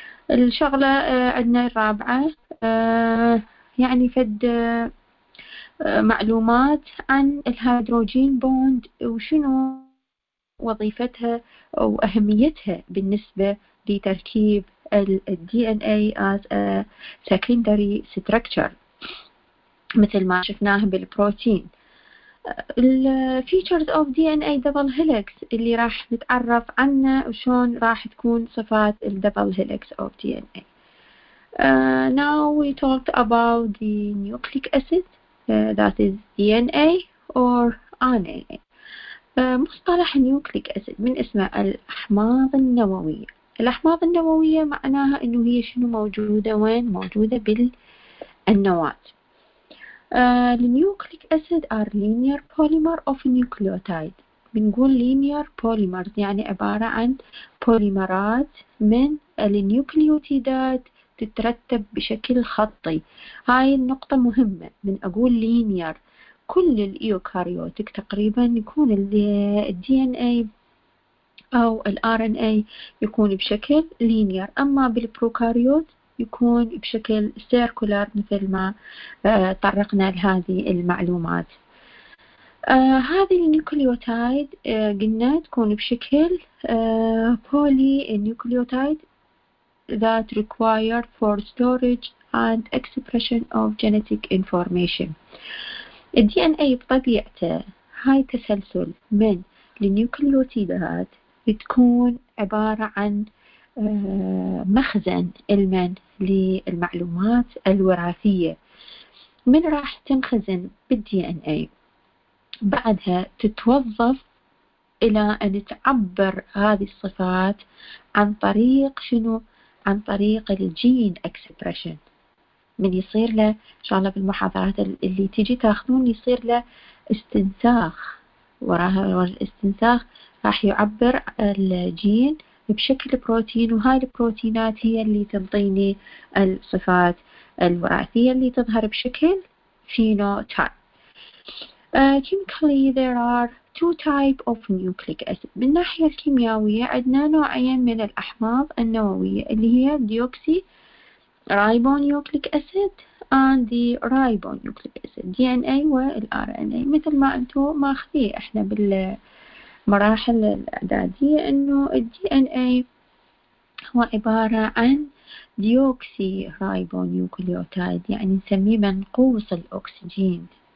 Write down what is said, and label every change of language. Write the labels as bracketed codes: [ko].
[ar] الشغلة عندنا الرابعة، يعني فد معلومات عن الهيدروجين بوند وشنو وظيفتها وأهميتها بالنسبة لتركيب الDNA [en] as a secondary structure [ar] مثل ما شفناها بالبروتين. [en] الفيتشرز of D N A double helix [ar] اللي راح نتعرف عنه، وشون راح تكون صفات الدبل هيليكس اوف دي ان اي. [en] Now we talked about the nucleic acid that is DNA or RNA. [ar] مصطلح nucleic acid من اسمه الأحماض النووية. الأحماض النووية معناها انه هي شنو موجودة، وين موجودة بالنواة. [en] النيوكليك acid are linear polymer of nucleotide, [ar] بنقول لينير بوليمر يعني عبارة عن بوليمرات من النيوكليوتيدات تترتب بشكل خطي. هاي النقطة مهمة، من أقول لينير كل الإيوكاريوتك تقريبا يكون الدي ان اي أو الار ان اي يكون بشكل لينير، أما بالبروكاريوت يكون بشكل سيركولار مثل ما طرقنا لهذه المعلومات. هذه النيوكليوتايد قلنا تكون بشكل بولي نيوكليوتايد [en] that required for storage and expression of genetic information. [ar] DNA بطبيعته هاي تسلسل من النيوكليوتيدات بتكون عبارة عن مخزن المن للمعلومات الوراثية. من راح تنخزن بالدي ان اي بعدها تتوظف الى ان تعبر هذه الصفات عن طريق شنو، عن طريق الجين اكسبريشن. من يصير له ان شاء الله بالمحاضرات اللي تيجي تاخذون يصير له استنساخ، وراها الاستنساخ راح يعبر الجين بشكل بروتين، وهاي البروتينات هي اللي تنطيني الصفات الوراثية اللي تظهر بشكل فينوتايب. [en] Chemically there are two types of nucleic acid. [ar] من ناحية الكيميائية عندنا نوعين من الأحماض النووية اللي هي ديوكسي ريبونيوكليك أسيد [en] and the ribonucleic acid [ar] DNA والRNA، مثل ما أنتوا ماخذيه إحنا بال مراحل الإعدادية إنه DNA هو عبارة عن ديوكسي ريبونيوكليوتايد، يعني نسميه منقوص الأكسجين.